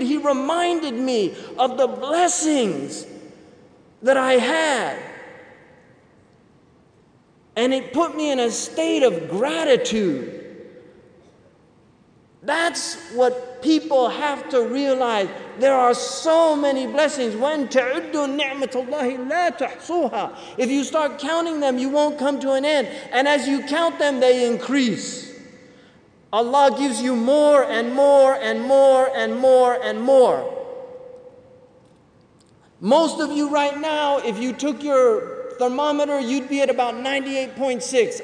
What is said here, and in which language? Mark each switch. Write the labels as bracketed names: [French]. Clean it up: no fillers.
[English] He reminded me of the blessings that I had. And it put me in a state of gratitude. That's what people have to realize. There are so many blessings. When [Arabic] تَعُدُّ نِعْمَةَ اللَّهِ لَا تَحْصُوهَا. [English] If you start counting them, you won't come to an end. And as you count them, they increase. Allah gives you more and more and more and more and more. Most of you right now, if you took your thermometer, you'd be at about 98.6.